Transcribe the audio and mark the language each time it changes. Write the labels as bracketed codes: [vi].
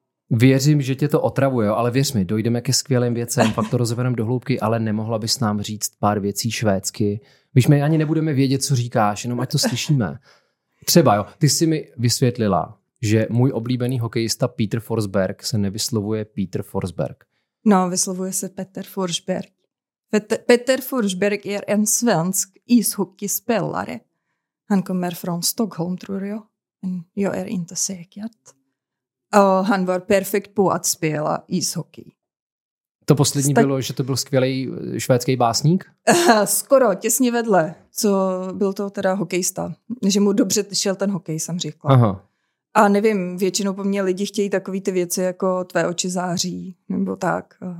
[cs] Věřím, že tě to otravuje, jo, ale věř mi, dojdeme ke skvělým věcem, pak to rozebereme do hloubky, ale nemohla bys nám říct pár věcí švédsky. Víš, my ani nebudeme vědět, co říkáš, jenom ať to slyšíme. Třeba, jo, ty jsi mi vysvětlila, že můj oblíbený hokejista Peter Forsberg se nevyslovuje Peter Forsberg. No, vyslovuje se Peter Forsberg. [sv] Peter Forsberg je en svensk ishockeyspelare. Han kommer från Stockholm, tror jag. Jag är inte säkert. Och han var perfekt på att spela ishockey. [cs] To poslední bylo, že to byl skvělý švédský básník? Skoro, těsně vedle. Co byl to teda hokejista. Že mu dobře šel ten hokej, jsem řekla. Aha. A nevím, většinou po mně lidi chtějí takový ty věci jako tvé oči září, nebo tak.